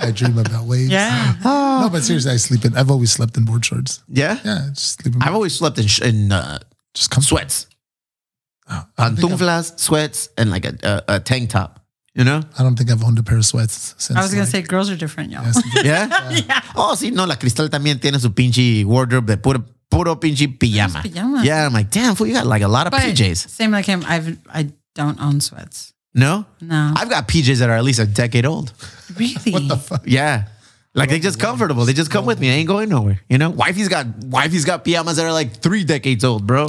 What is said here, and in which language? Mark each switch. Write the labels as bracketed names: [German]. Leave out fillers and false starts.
[English] I dream about waves. Yeah. Oh. No, but seriously, I've always slept in board shorts. Yeah? Yeah. Just sleep in I've always slept in just sweats. Pantuflas, sweats, and like a tank top. You know? I don't think I've owned a pair of sweats since. I was going to say, girls are different, y'all. Yeah? [Spanish] Oh, sí, no, la Cristal también tiene su pinche wardrobe de puro pinche pijama. [English] Yeah, I'm like, damn, fool, you got like a lot of PJs. Same like him. I don't own sweats. No? No. I've got PJs that are at least a decade old. Really? What the fuck? Yeah. Like, they're just comfortable. They just come with me. I ain't going nowhere. You know? Wifey's got pyjamas that are like 3 decades old, bro.